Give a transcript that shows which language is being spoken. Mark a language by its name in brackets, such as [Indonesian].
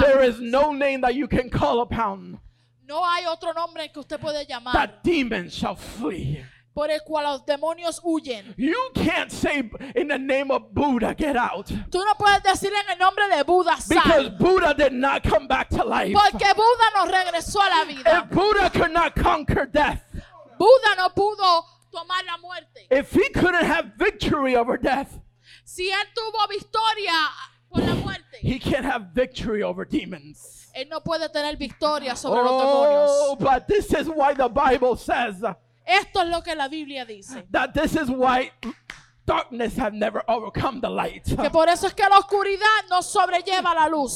[English] There is no name that you can call upon. [Spanish] No hay otro nombre que usted puede llamar. [English] That demons shall flee. [Spanish] Por el cual los demonios huyen. [English] You can't say in the name of Buddha, get out. [Spanish] Tú no puedes decir en el nombre de Buda, sal. [English] Because Buddha did not come back to life. [Spanish] Porque Buda no regresó a la vida. [English] If Buddha could not conquer death. [Spanish] Buda no pudo tomar la muerte. [English] If he couldn't have victory over death. [Spanish] Si él tuvo victoria por la muerte. [English] He can't have victory over demons. [Spanish] Él no puede tener victoria sobre los demonios. [English] Oh, but this is why the Bible says. [Spanish] Esto es lo que la Biblia dice. [English] That this is why darkness has never overcome the light. [Spanish] Que por eso es que la oscuridad no sobrelleva la luz.